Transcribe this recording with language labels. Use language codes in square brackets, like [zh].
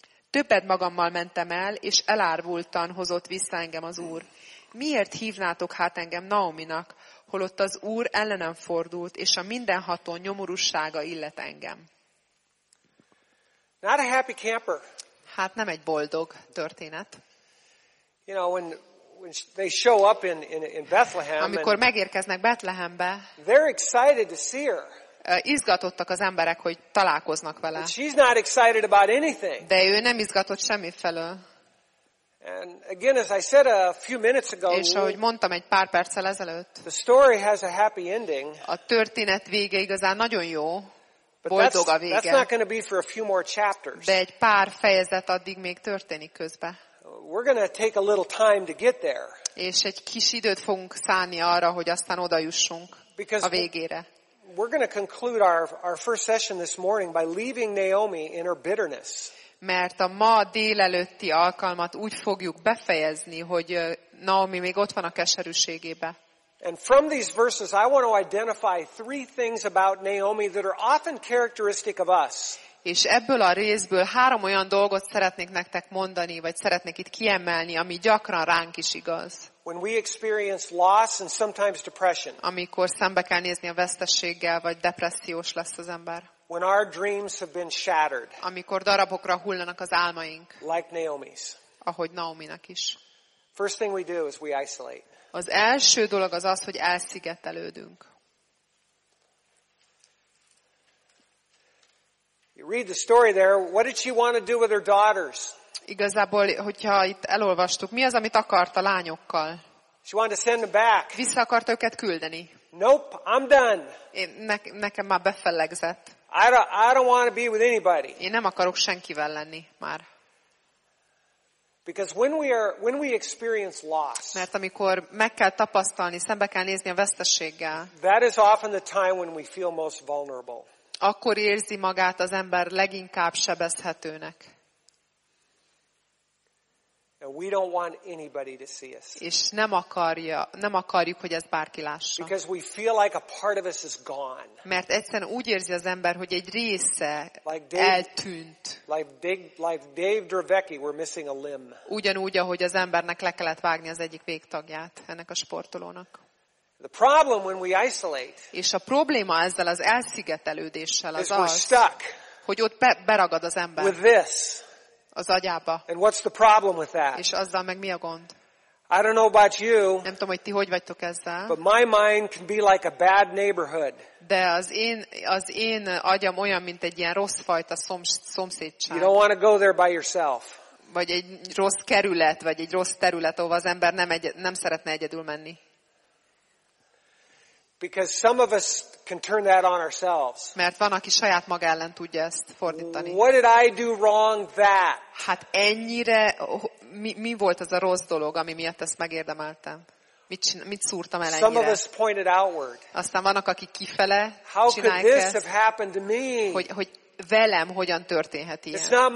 [hu] Többet magammal mentem el, és elárvultan hozott vissza engem az Úr. Miért hívnátok hát engem Naominak, holott az Úr ellenem fordult, és a mindenható nyomorúsága illet engem? [en] Not a happy camper. [hu] Hát nem egy boldog történet. [en] You know, when they show up in Bethlehem, [hu] amikor megérkeznek Betlehembe, [en] they're excited to see her. [hu] Izgatottak az emberek, hogy találkoznak vele. [en] She's not excited about anything. [hu] De ő nem izgatott semmifelől. [en] And again, as I said a few minutes ago, [hu] és ahogy mondtam egy pár perccel ezelőtt, [en] the story has a happy ending. [hu] A történet vége igazán nagyon jó. Boldog a vége. [en] That's not going to be for a few more chapters. [hu] De egy pár fejezet addig még történik közbe. [en] We're going to take a little time to get there. [hu] És egy kis időt fogunk szánni arra, hogy aztán odajussunk a végére. [en] We're going to conclude our first session this morning by leaving Naomi in her bitterness. [hu] Mert a ma délelőtti alkalmat úgy fogjuk befejezni, hogy Naomi még ott van a keserűségébe. [en] And from these verses I want to identify three things about Naomi that are often characteristic of us. [hu] És ebből a részből három olyan dolgot szeretnék nektek mondani, vagy szeretnék itt kiemelni, ami gyakran ránk is igaz. [en] When we experience loss and sometimes depression. [hu] Amikor szembe kell nézni a vesztességgel, vagy depressziós lesz az ember. [en] When our dreams have been shattered. [hu] Amikor darabokra hullanak az álmaink. [en] Like Naomi's. [hu] Ahogy Naominak is. [en] First thing we do is we isolate. [hu] Az első dolog az az, hogy elszigetelődünk. [en] Read the story there. What did she want to do with her daughters? [hu] Igazából, hogyha itt elolvastuk, mi az, amit akart a lányokkal? [en] She wanted to send them back. [hu] Vissza akart őket küldeni. [en] Nope, I'm done. [hu] Nekem már befellegzett. [en] I don't want to be with anybody. [hu] Én nem akarok senkivel lenni már. [en] Because when we experience loss. [hu] Mert amikor meg kell tapasztalni, szembe kell nézni a veszteséggel. [en] That is often the time when we feel most vulnerable. [hu] Akkor érzi magát az ember leginkább sebezhetőnek. [en] We don't want anybody to see us. [hu] És nem akarjuk, hogy ez bárki lássa. [en] Because we feel like a part of us is gone. [hu] Mert egyszerűen úgy érzi az ember, hogy egy része eltűnt. [en] Like Dave Dravecki, we're missing a limb. [hu] Ugyanúgy, ahogy az embernek le kellett vágni az egyik végtagját ennek a sportolónak. [en] The problem when we isolate. [hu] És a probléma ezzel az elszigetelődéssel az az, [en] stuck, [hu] hogy ott beragad az ember. [en] With this. [hu] Az agyába. [en] And what's the problem with that? [hu] És azzal meg mi a gond? [en] I don't know about you. [hu] Nem tudom, hogy ti hogy vagytok ezzel. [en] But my mind can be like a bad neighborhood. [hu] De az én agyam olyan, mint egy ilyen rossz fajta szomszédság. [en] You don't want to go there by yourself. [hu] vagy egy rossz kerület, vagy egy rossz terület, ahova az ember nem szeretne egyedül menni. [en] Because some of us can turn that on ourselves. [hu] Mert van, aki saját maga ellen tudja ezt fordítani. [en] What did I do wrong that? [hu] Hát ennyire mi volt az a rossz dolog, ami miatt ezt megérdemeltem? Mit szúrtam el ennyire? Aztán vannak, akik kifele csinálják ezt, hogy velem hogyan történhet ilyen.